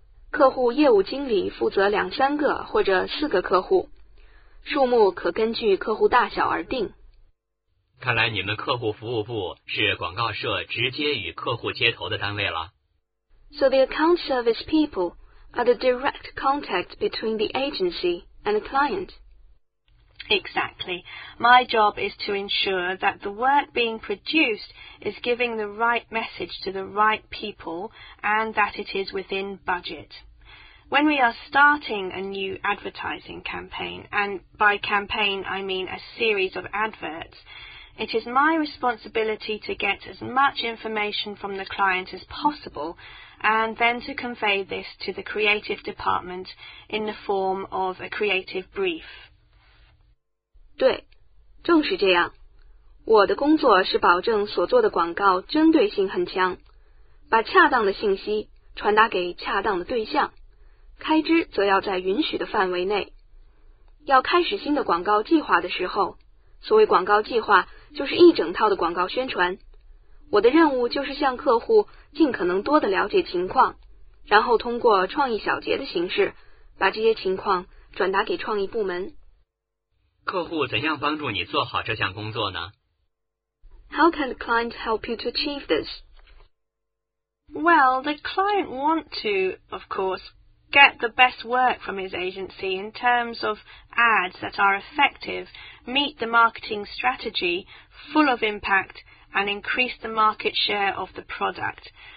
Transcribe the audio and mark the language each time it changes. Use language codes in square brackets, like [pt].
[zh] 客户业务经理负责2、3个或者4个客户，数目可根据客户大小而定。看来你们客户服务部是广告社直接与客户接头的单位了。 [en] So the account service people are the direct contact between the agency and the client. Exactly. My job is to ensure that the work being produced is giving the right message to the right people and that it is within budget. When we are starting a new advertising campaign, and by campaign I mean a series of adverts,It is my responsibility to get as much information from the client as possible and then to convey this to the creative department in the form of a creative brief. [zh] 对，正是这样。我的工作是保证所做的广告针对性很强，把恰当的信息传达给恰当的对象，开支则要在允许的范围内。要开始新的广告计划的时候，所谓广告计划就是一整套的广告宣传，我的任务就是向客户尽可能多的了解情况，然后通过创意小结的形式把这些情况转达给创意部门。客户怎样帮助你做好这项工作呢？ [en] How can the client help you to achieve this? Well, the client want to, of course, get the best work from his agency in terms of ads that are effectiveMeet the marketing strategy, full of impact, and increase the market share of the product.